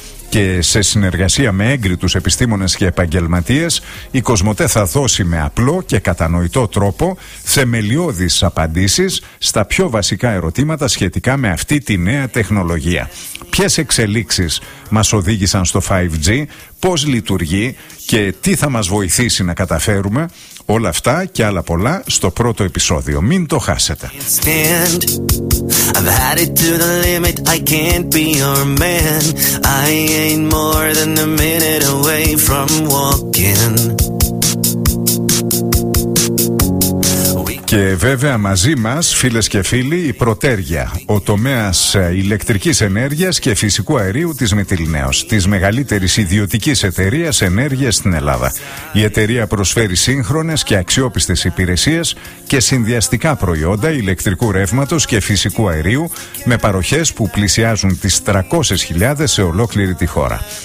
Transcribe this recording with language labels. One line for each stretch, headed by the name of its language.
Greek: Και σε συνεργασία με έγκριτους επιστήμονες και επαγγελματίες, η Κοσμοτέ θα δώσει με απλό και κατανοητό τρόπο θεμελιώδεις απαντήσεις στα πιο βασικά ερωτήματα σχετικά με αυτή τη νέα τεχνολογία. Ποιες εξελίξεις μας οδήγησαν στο 5G, πώς λειτουργεί και τι θα μας βοηθήσει να καταφέρουμε, όλα αυτά και άλλα πολλά στο πρώτο επεισόδιο. Μην το χάσετε.
English: I've had it to the limit, I can't be your man. I ain't more than a minute away from walking.
Greek: Και βέβαια μαζί μας, φίλες και φίλοι, η Πρωτέρια, ο τομέας ηλεκτρικής ενέργειας και φυσικού αερίου της Μυτιληναίος, της μεγαλύτερης ιδιωτικής εταιρείας ενέργειας στην Ελλάδα. Η εταιρεία προσφέρει σύγχρονες και αξιόπιστες υπηρεσίες και συνδυαστικά προϊόντα ηλεκτρικού ρεύματος και φυσικού αερίου με παροχές που πλησιάζουν τις 300.000 σε ολόκληρη τη χώρα.